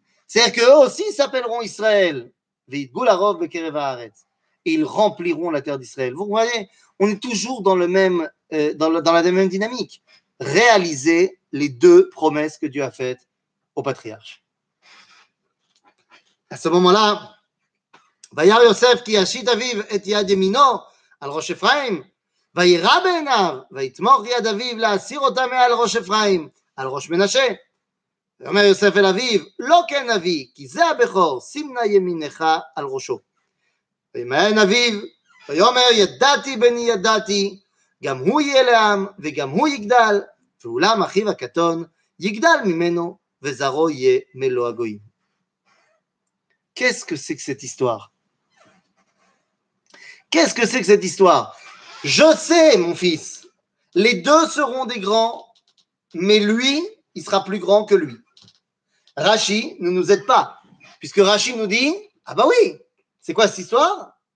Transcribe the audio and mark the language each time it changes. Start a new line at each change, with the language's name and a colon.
French: C'est-à-dire qu'eux aussi s'appelleront Israël.
Hebrew: Veit goularov bekere vaharet.
French: Et ils rempliront la terre d'Israël. Vous voyez, on est toujours dans, le même, dans la même dynamique. Réaliser les deux promesses que Dieu a faites au patriarche. À ce moment-là,
Hebrew: וירא יוסף כי ישית אביו את יד ימינו על ראש אפרים וירא בעיניו ויתמוך יד אביו להסיר אותה מעל ראש אפרים על ראש מנשה ואומר יוסף אל אביו לא כן אבי כי זה הבכור שים נא ימינך על ראשו וימיין אביו ויאמר ידעתי בני ידעתי גם הוא יהיה לעם וגם הוא יגדל ואולם אחיו הקטון יגדל ממנו וזרו יהיה מלוא הגויים.
French: Qu'est-ce que c'est que cette histoire? Qu'est-ce que c'est que cette histoire? Je sais, mon fils, les deux seront des grands, mais lui, il sera plus grand que lui. Rashi ne nous aide pas, puisque Rashi nous dit, ah bah oui, c'est quoi cette histoire?